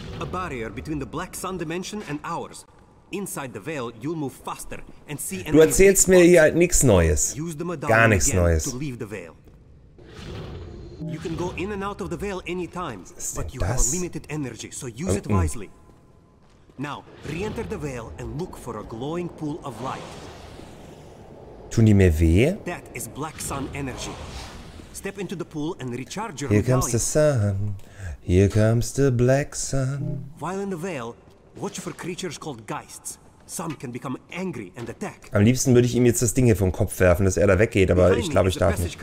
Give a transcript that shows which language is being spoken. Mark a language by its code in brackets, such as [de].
[en] A barrier between the Black Sun dimension and ours. Inside the veil, you'll move faster and see [de] enemies. Du erzählst mir hier halt nichts Neues. Gar nichts Neues. [en] You can go in and out of the veil anytime, but you have limited energy, so use it wisely. Now, re-enter the veil and look for a glowing pool of light. [de] Tun die mir weh? [en] That is Black Sun energy. Step into the pool and recharge your Here comes the sun. Here comes the Black Sun. While in the Veil, watch for creatures called Geists. Some can become angry and attack. [de] Am liebsten würde ich ihm jetzt das Ding hier vom Kopf werfen, dass er da weggeht, aber ich glaube, ich darf nicht.